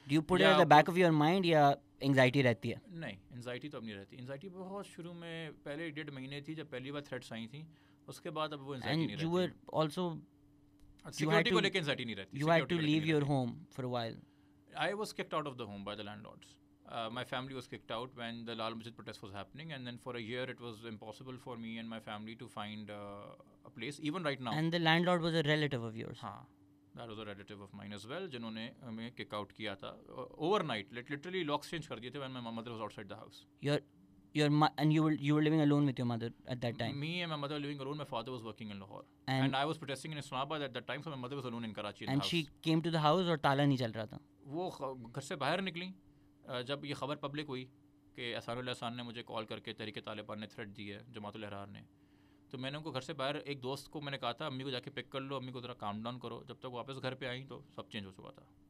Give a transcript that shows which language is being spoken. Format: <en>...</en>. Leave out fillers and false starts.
<en>do you put it in the back of your mind</en> <ur>یا anxiety رہتی ہے؟ نہیں, انگزائٹی تو اب نہیں رہتی. انگزائٹی بہت شروع میں پہلے ڈیڑھ مہینے تھی جب پہلی بار تھریٹس آئی تھیں, اس کے بعد اب وہ انگزائٹی نہیں رہتی.</ur> <en>you were also</en> <ur>سیکورٹی کو لے کے انگزائٹی نہیں رہتی.</ur> <en>You had to leave your home for a while. I was kicked out of the home by the landlords. My family was kicked out when the Lal Masjid protest was happening, and then for a year it was impossible for me and my family to find a place, even right now. And the landlord was a relative of yours? Haan, that was a relative of mine as well,</en> <ur>jinhone humein kick out kiya tha</ur> <en>overnight, literally locks change</en> <ur>kar diye the</ur> <en>when my mother was outside the house. You were living alone with your mother at that time? Me and my mother were living alone, my father was working in Lahore. And I was protesting in Islamabad at that time, so my mother was alone in Karachi in the house. And she came to the house</en> <ur>aur taala nahi chal raha tha? Wo ghar se bahar nikli. جب یہ خبر public ہوئی کہ احسان اللہ احسان نے مجھے کال کر کے تحریک طالبان نے تھریٹ دی ہے جماعت الاحرار نے, تو میں نے ان کو گھر سے باہر, ایک دوست کو میں نے کہا تھا امی کو جا کے پک کر لو, امی کو ذرا کام ڈاؤن کرو, جب تک واپس گھر پہ آئیں تو سب چینج ہو چکا تھا.</ur>